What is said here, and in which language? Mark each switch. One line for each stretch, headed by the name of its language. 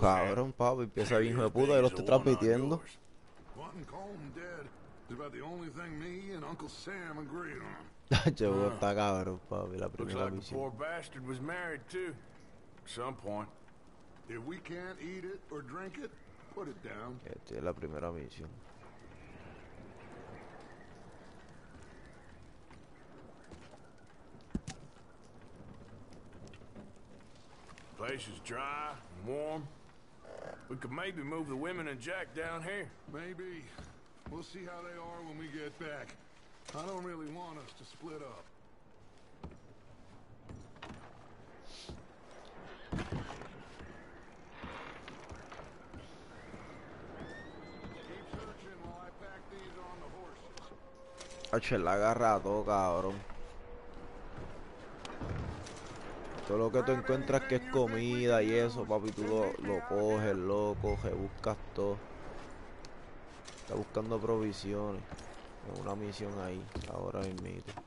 Spanish: Nacho, cabrón, papi, empieza bien, hijo de puta, y lo estoy transmitiendo.
English: Wanting Colm dead is about the only thing me and Uncle Sam agree on.
Spanish: Nacho, está cabrón, papi, la primera
English: Looks like the poor bastard was married too. At some point. If we can't eat it or drink it, put it down.
Spanish: Esta es la primera misión.
English: Place is dry and warm. We could maybe move the women and Jack down here. Maybe. We'll see how they are when we get back. I don't really want us to split up. Keep searching while I pack these on the horses.
Spanish: Ache, la agarra todo, cabrón. Todo lo que tú encuentras que es comida y eso, papi, tú lo coges, lo coges, buscas todo. Está buscando provisiones. Es una misión ahí, ahora mismo.